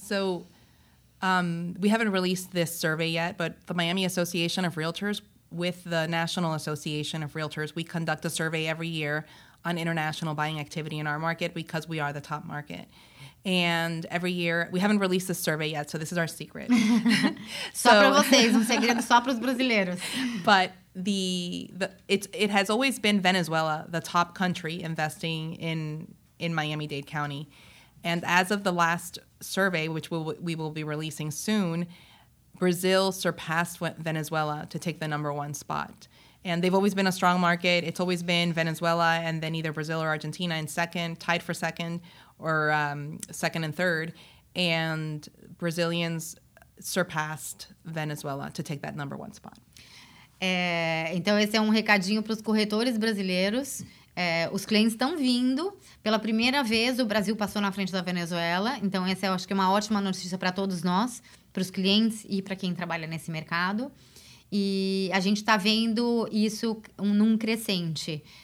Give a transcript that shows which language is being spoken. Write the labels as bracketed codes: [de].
[en] So we haven't released this survey yet, but the Miami Association of Realtors, with the National Association of Realtors, we conduct a survey every year on international buying activity in our market because we are the top market. And every year, we haven't released this survey yet, so this is our secret. [pt] Só para vocês, um segredo só para os brasileiros. [en] But it has always been Venezuela, the top country investing in Miami-Dade County. And as of the last survey, which we will be releasing soon, Brazil surpassed Venezuela to take the number one spot. And they've always been a strong market. It's always been Venezuela and then either Brazil or Argentina in second, tied for second, or second and third. And Brazilians surpassed Venezuela to take that number one spot. [pt] Então, esse é um recadinho para os corretores brasileiros. Os clientes estão vindo. Pela primeira vez, o Brasil passou na frente da Venezuela. Então, essa eu acho que é uma ótima notícia para todos nós, para os clientes e para quem trabalha nesse mercado. E a gente está vendo isso num crescente.